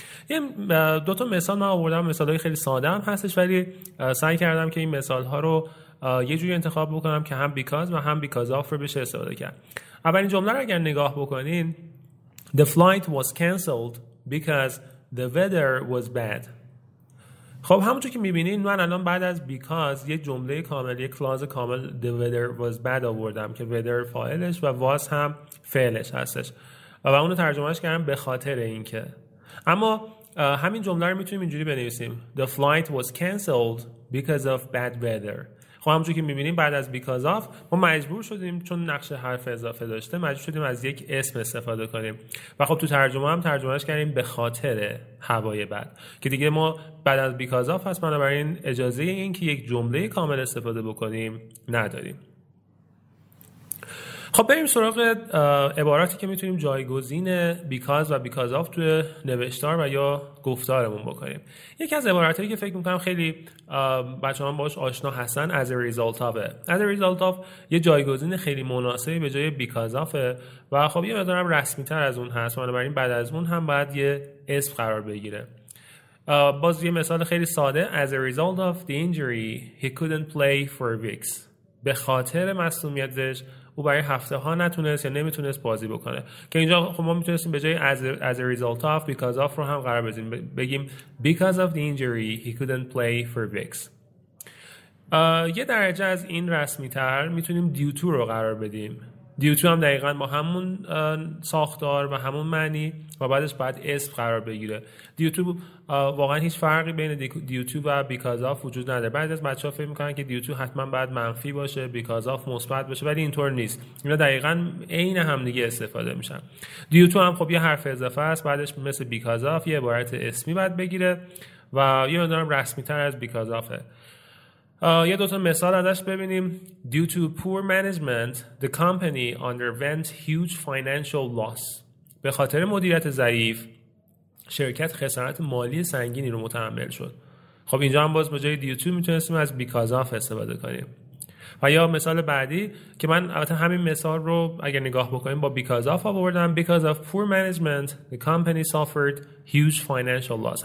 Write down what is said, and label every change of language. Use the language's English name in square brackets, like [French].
[Persian] این دو تا مثال من آوردم، مثالای خیلی ساده هم هستش، ولی سعی کردم که این مثال ها رو یه جوری انتخاب بکنم که هم because و هم because of رو بشه استفاده کرد. اولین جمله رو اگر نگاه بکنین، [English] The flight was cancelled because the weather was bad. [Persian] خب همونطور که میبینین من الان بعد از because یه جمله کامل، یه کلاز کامل [English] the weather was bad [Persian] آوردم که weather فاعلش و was هم فعلش هستش و اونو ترجمهش کردم به خاطر این که. اما همین جمله رو میتونیم اینجوری بنویسیم، [English] The flight was cancelled because of bad weather. [Persian] خب همونجور که میبینیم بعد از because of ما مجبور شدیم، چون نقش حرف اضافه داشته، مجبور شدیم از یک اسم استفاده کنیم و خب تو ترجمه هم ترجمهش کردیم به خاطر هوای بد، که دیگه ما بعد از because of هست، بنابراین اجازه این که یک جمله کامل استفاده بکنیم نداریم. خب بریم سراغ عباراتی که میتونیم جایگزین because و because of توی نوشتار و یا گفتارمون بکنیم. یکی از عباراتی که فکر میکنم خیلی بچه هم باش آشنا هستن as a result of. As a result of یه جایگزین خیلی مناسبی به جای because of و خب یه مقدارم رسمی تر از اون هست، بنابراین بعد از اون هم باید یه اسم قرار بگیره. باز یه مثال خیلی ساده، [English] As a result of the injury he couldn't play for weeks. [Persian] به خاطر مصدومیتش او برای هفته ها نتونست یا نمیتونست بازی بکنه، که اینجا خب ما میتونستیم به جای as a result of [English] because of رو هم قرار بزنیم، بگیم because of the injury he couldn't play for weeks. [Persian] یه درجه از این رسمی تر میتونیم due to رو قرار بدیم. due to هم دقیقا با همون ساختار و همون معنی و بعدش بعد اسم قرار بگیره. due to واقعا هیچ فرقی بین due to و because of وجود نداره. بعضی از بچه‌ها فکر می‌کنن که due to حتما باید منفی باشه، because of مثبت باشه، ولی اینطور نیست. اینا دقیقا عین هم دیگه استفاده میشن. due to هم خب یه حرف اضافه است، بعدش مثل because of یه عبارت اسمی باید بگیره و یه مقدارم رسمی‌تر از because of. یه دو تا مثال ازش ببینیم. [English] due to poor management the company underwent huge financial loss. [Persian] به خاطر مدیریت ضعیف شرکت خسارت مالی سنگینی رو متحمل شد. خب اینجا هم باز به جای due to میتونستیم از because of استفاده کنیم. و یا مثال بعدی که من البته همین مثال رو اگر نگاه بکنیم با [English] because of آوردم، because of poor management the company suffered huge financial loss.